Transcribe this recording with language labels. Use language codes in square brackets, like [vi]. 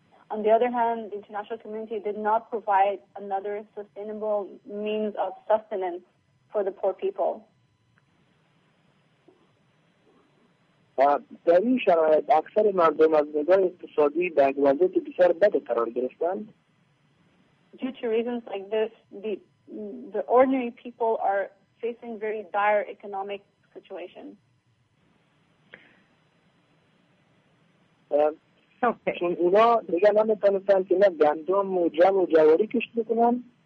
[en] On the other hand, the international community did not provide another sustainable means of sustenance for the poor people. [fa] در این شرایط اکثر مردم از نظر اقتصادی در وضعیت بسیار بد قرار گرفتند. [en] Due to reasons like this, the ordinary people are facing very dire economic situations. [fa] چون اونا دیگه نمیتونستن که نه گندم و جم و جواری کشت بکنن.